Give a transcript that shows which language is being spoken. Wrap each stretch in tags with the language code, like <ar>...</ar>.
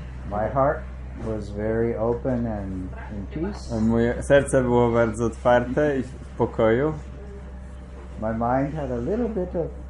<en>My heart was very open and in peace.</en> <pl>Moje serce było bardzo otwarte i w pokoju.</pl> <en>My mind had a little bit of</en>